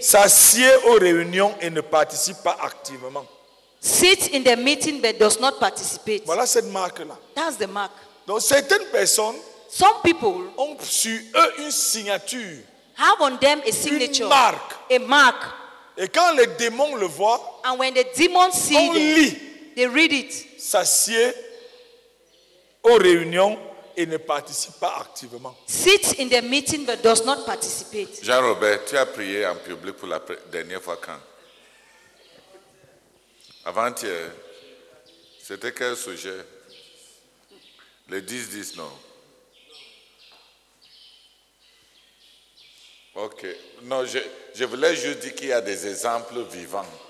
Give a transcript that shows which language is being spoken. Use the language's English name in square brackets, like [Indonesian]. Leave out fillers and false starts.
[French] S'assied aux réunions et ne participe pas activement. [English] Sit in the meeting but does not participate. [French] Voilà cette marque là. [English] That's the mark. [French] Donc certaines personnes. [English] Some people. [French] Ont sur eux une signature. [English] Have on them a signature. [French] Une marque. [English] A mark. [French] Et quand les démons le voient. [English] And when the demons see it. [French] On lit. [English] They read it. [French] S'assied aux réunions et ne participe pas activement. [English] Sit in the meeting but does not participate. [French] Jean-Robert, tu as prié en public pour la dernière fois quand? Avant-hier, c'était quel sujet? Le 10-10, non? Ok. Non, je voulais juste dire qu'il y a des exemples vivants.